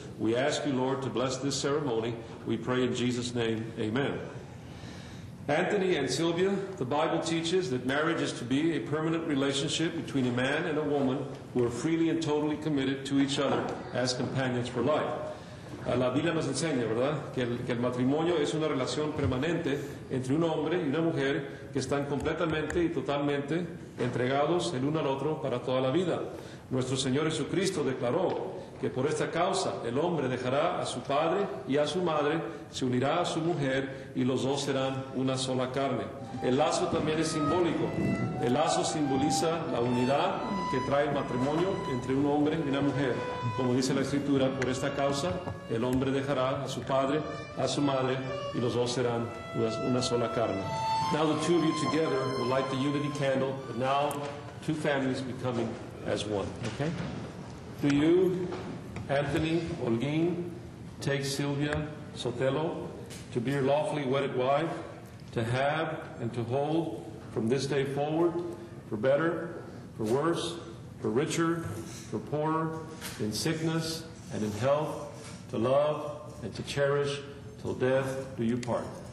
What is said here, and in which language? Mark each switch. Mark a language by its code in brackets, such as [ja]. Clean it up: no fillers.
[en] We ask you, Lord, to bless this ceremony. We pray in Jesus' name, amen. Anthony and Sylvia, the Bible teaches that marriage is to be a permanent relationship between a man and a woman who are freely and totally committed to each other as companions for life. [es] La Biblia nos enseña, ¿verdad?, que el matrimonio es una relación permanente entre un hombre y una mujer que están completamente y totalmente entregados el uno al otro para toda la vida. Nuestro Señor Jesucristo declaró que por esta causa el hombre dejará a su padre y a su madre, se unirá a su mujer y los dos serán una sola carne. El lazo también es simbólico. El lazo simboliza la unidad que trae el matrimonio entre un hombre y una mujer. Como dice la Escritura, por esta causa el hombre dejará a su padre, a su madre y los dos serán una sola carne. [en] Now the two of you together will light the unity candle, but now two families becoming as one, okay? Do you, Anthony Holguín, take Silvia Sotelo to be your lawfully wedded wife, to have and to hold from this day forward, for better, for worse, for richer, for poorer, in sickness and in health, to love and to cherish till death do you part?